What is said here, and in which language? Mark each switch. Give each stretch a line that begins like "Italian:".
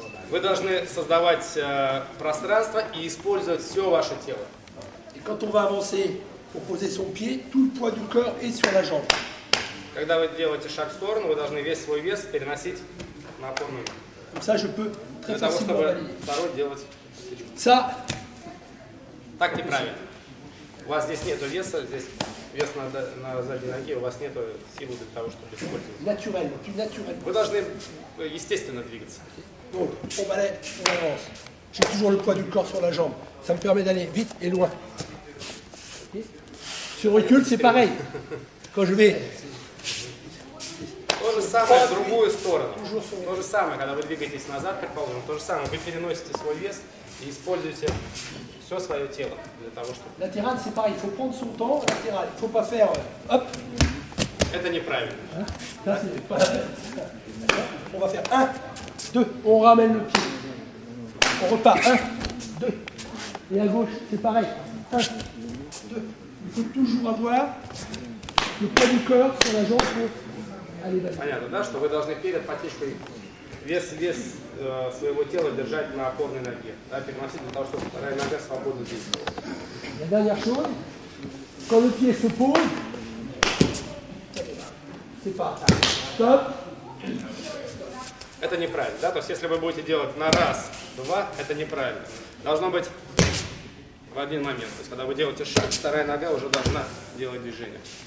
Russian: Вы должны создавать пространство и использовать все ваше тело.
French: И quand on va avancer, pour poser son pied, tout le poids du corps est sur la jambe.
Russian: Когда вы делаете шаг в сторону, вы должны весь свой вес переносить на опорную.
French: Comme ça, je peux très facilement balayer. Ça.
Russian: Так неправильно. У вас здесь нету веса, здесь. Вес на задней ноге, у вас нет силы для того, чтобы использовать. Натурально,
French: plus naturellement.
Russian: Вы должны естественно двигаться.
French: Donc, on balaye, on avance. J'ai toujours le poids du corps sur la jambe. Ça me permet d'aller vite et loin. Sur le recul, c'est pareil. Quand je vais...
Russian: То же самое в другую сторону. То же самое, когда вы двигаетесь назад, предположим, то же самое. Вы переносите свой вес и используете... Все свое тело для того, чтобы.
French: Latéral, c'est pareil. Il faut prendre son temps. Latéral. Il faut pas faire. Hop.
Russian: Это неправильно. Да, это неправильно.
French: On va faire 1, 2, on ramène le pied. On repart. 1, 2. Et à gauche, c'est pareil. 1, 2. Il faut toujours avoir le poids du corps sur la jambe pour aller vers.
Russian: Понятно, да, что вы должны перед потечкой вес своего тела держать на опорной ноге, да, переносить для того, чтобы вторая нога свободно действовала.
French: La dernière chose, quand le pied se pose, c'est pas stop.
Russian: Это неправильно, да? То есть если вы будете делать на раз, два, это неправильно. Должно быть в один момент. То есть когда вы делаете шаг, вторая нога уже должна делать движение.